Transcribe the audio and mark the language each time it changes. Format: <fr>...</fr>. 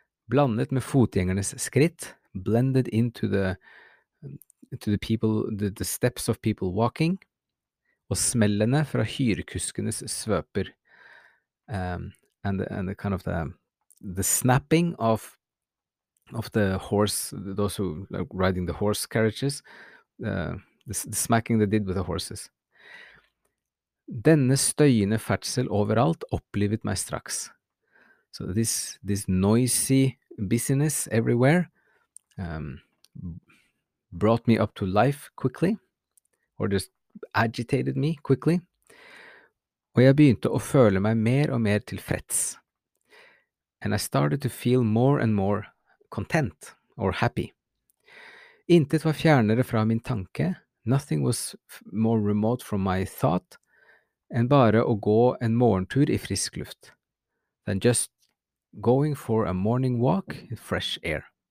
<no>Blandet med fotgjengernes skritt,</no> <en>blended into the people, the steps of people walking,</en> <no>og smellene fra hyrekuskenes svøper.</no> <en>And the kind of the snapping of the horse, those who like riding the horse carriages, the smacking they did with the horses.</en> <no>Denne støyende ferdsel overalt opplivet meg straks.</no> <en>So this noisy busyness everywhere brought me up to life quickly, or just agitated me quickly.</en> <no>Og jeg begynte å føle meg mer og mer tilfreds.</no> <en>And I started to feel more and more content or happy.</en> <no>Intet var fjernere fra min tanke.</no> <en>Nothing was more remote from my thought</en> <no>enn bare å gå en morgentur I frisk luft.</no> <en>Than just going for a morning walk in fresh air.</en>